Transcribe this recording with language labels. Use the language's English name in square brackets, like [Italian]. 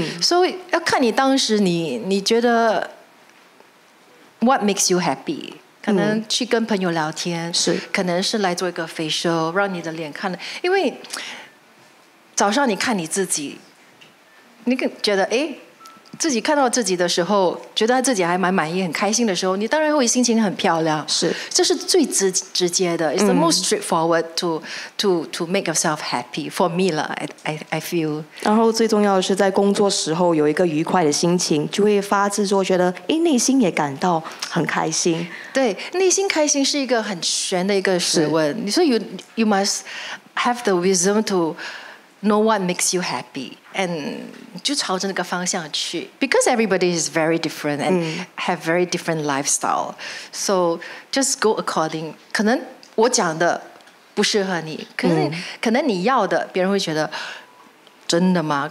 [Chinese] 所以、要看你当时你觉得 [English] what makes you happy， [Chinese] 可能去跟朋友聊天，是可能是来做一个 facial 让你的脸看，因为早上你看你自己，你觉得哎，自己看到自己的时候觉得自己还蛮满意很开心的时候，你当然会心情很漂亮，是这是最直接的。 [English] It's the most straightforward to make yourself happy for me lah, I feel。 [Chinese] 然后最重要的是在工作时候有一个愉快的心情，就会发自说觉得内心也感到很开心。对，内心开心是一个很玄的一个学问。你说 [English] you must have the wisdom to know what makes you happy and [Chinese] 就朝着那个方向去。 [English] Because everybody is very different and have very different lifestyle, so just go according. [Chinese] 可能我讲的不适合你，可是可能你要的别人会觉得真的吗？